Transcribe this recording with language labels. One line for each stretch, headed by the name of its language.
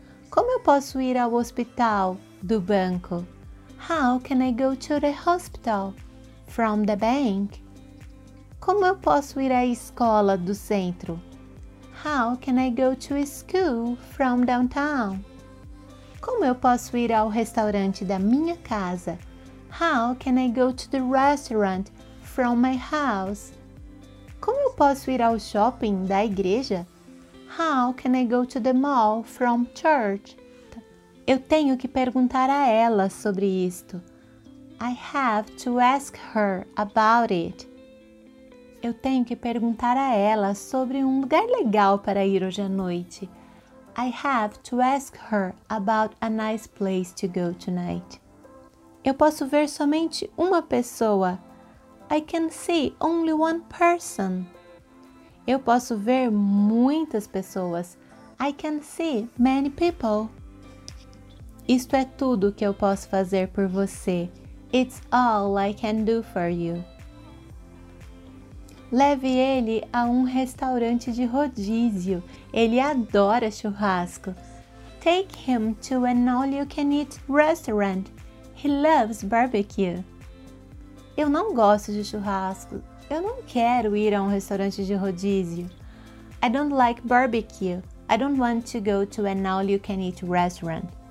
Portuguese: Como eu posso ir ao hospital, do banco?
English: How can I go to the hospital, from the bank?
Portuguese: Como eu posso ir à escola do centro?
English: How can I go to school from downtown?
Portuguese: Como eu posso ir ao restaurante da minha casa?
English: How can I go to the restaurant from my house?
Portuguese: Como eu posso ir ao shopping da igreja?
English: How can I go to the mall from church?
Portuguese: Eu tenho que perguntar a ela sobre isto.
English: I have to ask her about it.
Portuguese: Eu tenho que perguntar a ela sobre um lugar legal para ir hoje à noite.
English: I have to ask her about a nice place to go tonight.
Portuguese: Eu posso ver somente uma pessoa.
English: I can see only one person.
Portuguese: Eu posso ver muitas pessoas.
English: I can see many people.
Portuguese: Isto é tudo que eu posso fazer por você.
English: It's all I can do for you.
Portuguese: Leve ele a um restaurante de rodízio. Ele adora churrasco.
English: Take him to an all-you-can-eat restaurant. He loves barbecue.
Portuguese: Eu não gosto de churrasco. Eu não quero ir a um restaurante de rodízio.
English: I don't like barbecue. I don't want to go to an all-you-can-eat restaurant.